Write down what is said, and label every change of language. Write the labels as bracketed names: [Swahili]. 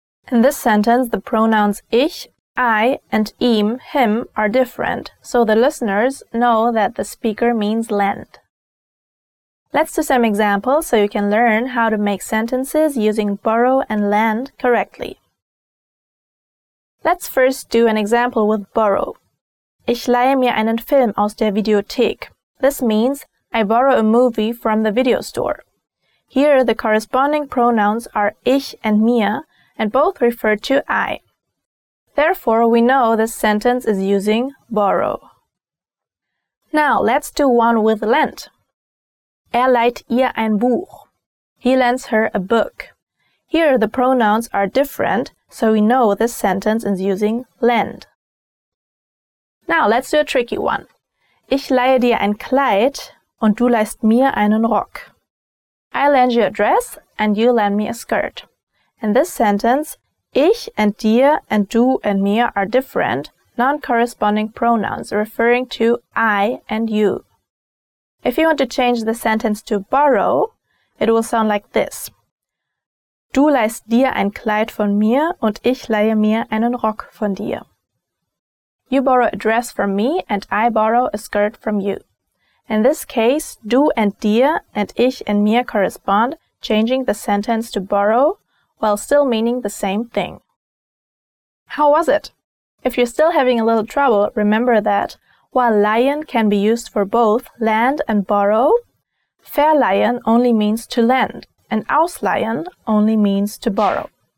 [English] In this sentence, the pronouns ich, I, and ihm, him, are different, so the listeners know that the speaker means lend. Let's do some examples so you can learn how to make sentences using borrow and lend correctly. Let's first do an example with borrow. [German] Ich leihe mir einen Film aus der Videothek. [English] This means, I borrow a movie from the video store. Here, the corresponding pronouns are ich and mir, and both refer to I. Therefore, we know this sentence is using borrow. Now, let's do one with lend. [German] Er leiht ihr ein Buch. [English] He lends her a book. Here, the pronouns are different, so we know this sentence is using lend. Now, let's do a tricky one. [German] Ich leihe dir ein Kleid und du leihst mir einen Rock. [English] I lend you a dress and you lend me a skirt. In this sentence, ich and dir and du and mir are different, non-corresponding pronouns referring to I and you. If you want to change the sentence to borrow, it will sound like this. [German] Du leihst dir ein Kleid von mir und ich leihe mir einen Rock von dir. [English] You borrow a dress from me and I borrow a skirt from you. In this case, du and dir and ich and mir correspond, changing the sentence to borrow while still meaning the same thing. How was it? If you're still having a little trouble, remember that while leihen can be used for both lend and borrow, verleihen only means to lend and ausleihen only means to borrow.